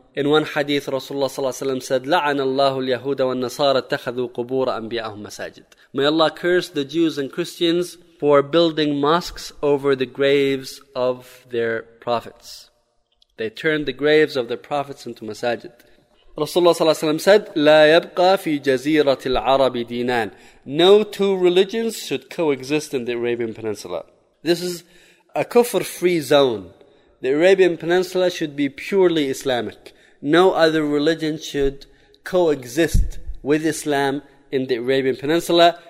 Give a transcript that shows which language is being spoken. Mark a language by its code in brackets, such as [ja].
[en] In one hadith, Rasulullah sallallahu alaihi wasallam said, [ar] لَعَنَ اللَّهُ الْيَهُودَ وَالنَّصَارَ اتَّخَذُوا قُبُورَ أَنْبِيَاءَهُمْ مَسَاجِدٍ. [en] May Allah curse the Jews and Christians for building mosques over the graves of their prophets. They turned the graves of their prophets into masajid. Rasulullah sallallahu alaihi wasallam said, [ar] لَا يَبْقَى فِي جَزِيرَةِ الْعَرَبِ دِينَانِ. [en] No two religions should coexist in the Arabian Peninsula. This is a kufr-free zone. The Arabian Peninsula should be purely Islamic. No other religion should coexist with Islam in the Arabian Peninsula.